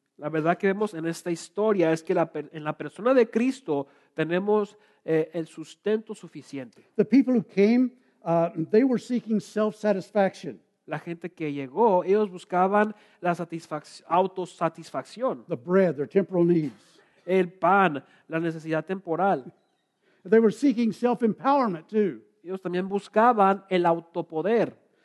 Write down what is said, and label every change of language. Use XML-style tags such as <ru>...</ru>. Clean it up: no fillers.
<es>La verdad que vemos en esta historia es que en la persona de Cristo tenemos el sustento suficiente.</es> <en>The people who came, they were seeking self-satisfaction.</en> <es>La gente que llegó, ellos buscaban la autosatisfacción.</es> <en>The bread, their temporal needs.</en> <es>El pan, la necesidad temporal.</es> <en>They were seeking self-empowerment too.</en> <es>Ellos también buscaban el autopoder.</es>